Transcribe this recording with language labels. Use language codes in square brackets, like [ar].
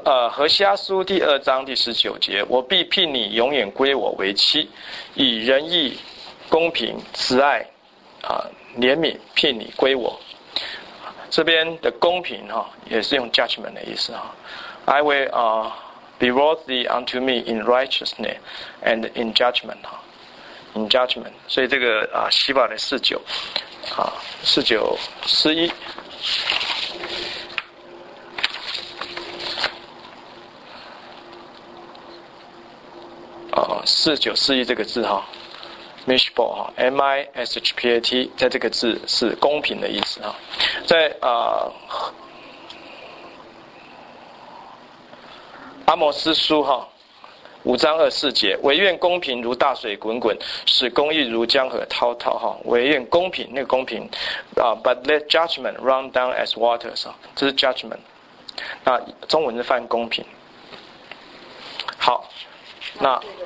[zh] 何西阿书2:19，我必聘你永远归我为妻，以仁义公平慈爱怜悯聘你归我。这边的公平也是用 judgment 的意思。 [en] I will Be worthy unto me in righteousness and in judgment. In judgment. [zh] 所以这个啊，希伯来四九，啊，四九十一。四九四一这个字哈 ，mishpat 哈 ，m i s h p a t， 在这个字是公平的意思哈，在阿摩斯书哈五章二四节，唯愿公平如大水滚滚，使公义如江河滔滔哈，唯愿公平那个公平啊 ， [en] but let judgment run down as waters [zh] 哈，这是 judgment， 那中文是翻公平，好，那。